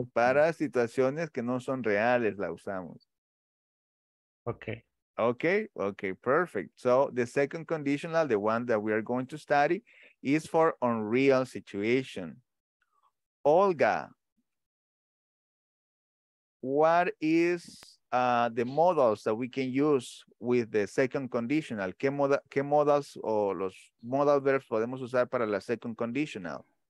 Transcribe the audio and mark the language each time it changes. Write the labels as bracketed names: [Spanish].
[Spanish] Para situaciones que no son reales, la usamos. [English] Okay, perfect. So the second conditional, the one that we are going to study, is for unreal situation. Olga, what is the models that we can use with the second conditional? [Spanish] ¿Qué modals o los modal verbs podemos usar para la second conditional?